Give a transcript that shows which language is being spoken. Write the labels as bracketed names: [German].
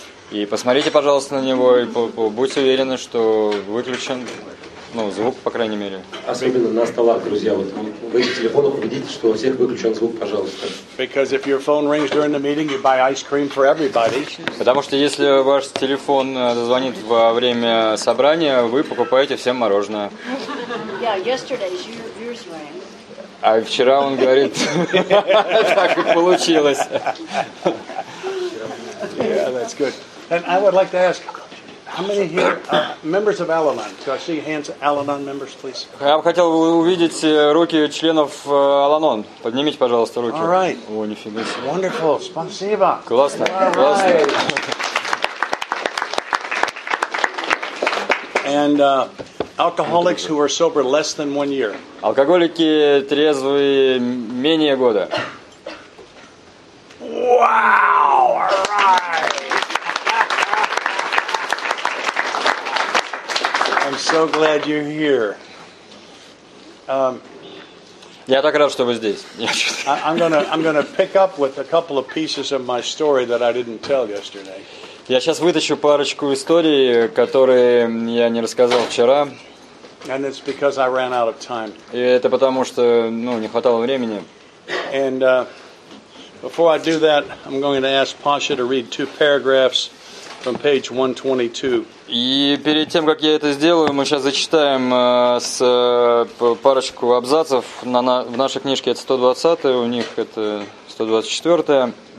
[Russian] И посмотрите, пожалуйста, на него и будьте уверены, что выключен, ну, звук, по крайней мере. Особенно на столах, друзья, вот вы с телефона убедитесь, что у всех выключен звук, пожалуйста. [English] Because if your phone rings during the meeting, you buy ice cream for everybody. [Russian] Потому что если ваш телефон зазвонит во время собрания, вы покупаете всем мороженое. [English] Yeah, yesterday's yours rang. [Russian] А вчера он говорит, так и получилось. [English] Yeah, that's good. And I would like to ask, how many here members of Al-Anon? Can I see hands of Al-Anon members, please? [Russian] Я бы хотел увидеть руки членов Al-Anon. Поднимите, пожалуйста, руки. [English] All right. [Russian] О, нифига себе. [English] Wonderful. [Russian] Спасибо. Классно. Классно. [English] And alcoholics who are sober less than one year. [Russian] Алкоголики трезвые менее года. [English] Wow! All right. I'm so glad you're here. [Russian] Я так рад, что вы здесь. [English] I'm gonna pick up with a couple of pieces of my story that I didn't tell yesterday. [Russian] Я сейчас вытащу парочку историй, которые я не рассказал вчера. [English] And it's because I ran out of time. [Russian] И это потому что, ну, не хватало времени. [English] And before I do that, I'm going to ask Pasha to read two paragraphs from page 122. [Russian] И перед тем, как я это сделаю, мы сейчас зачитаем с парочку абзацев в нашей книжке это 120-е, у них это 124-е.